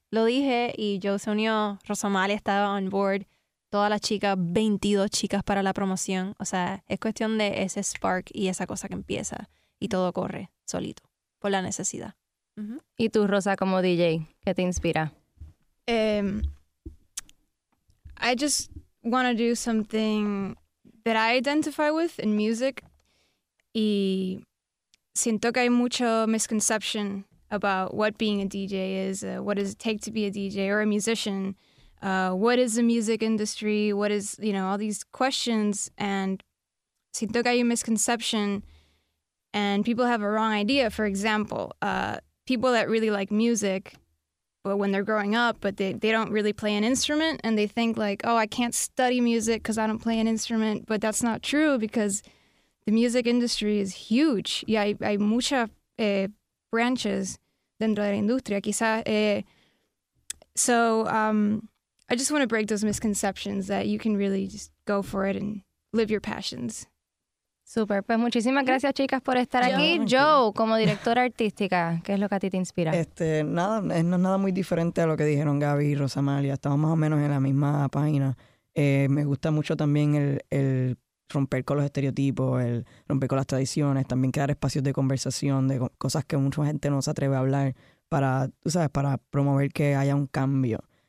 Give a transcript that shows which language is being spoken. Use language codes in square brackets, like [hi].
[es] Lo dije y Joe se unió, Rosamali estaba [en] on board, [es] todas las chicas, 22 chicas para la promoción. O sea, es cuestión de ese spark y esa cosa que empieza y todo corre solito por la necesidad. Uh-huh. ¿Y tú, Rosa, como DJ, qué te inspira? [en] I just want to do something that I identify with in music. [es] Y siento que hay mucho [en] misconception about what being a DJ is, what does it take to be a DJ or a musician, what is the music industry, what is, you know, all these questions. And [es] siento que hay un [en] misconception and people have a wrong idea. For example, people that really like music, but when they're growing up, but they don't really play an instrument, and they think like, oh, I can't study music because I don't play an instrument. But that's not true, because the music industry is huge. [es] Y hay muchas branches dentro de la industria, quizá. [en] So I just want to break those misconceptions that you can really just go for it and live your passions. [es] Súper, pues muchísimas gracias, chicas, por estar aquí. Joe, como directora artística, ¿qué es lo que a ti te inspira? Nada, no es nada muy diferente a lo que dijeron Gaby y Rosamalia. Estamos más o menos en la misma página. Me gusta mucho también el romper con los estereotipos, el romper con las tradiciones, también crear espacios de conversación, de cosas que mucha gente no se atreve a hablar para, tú sabes, para promover que haya un cambio.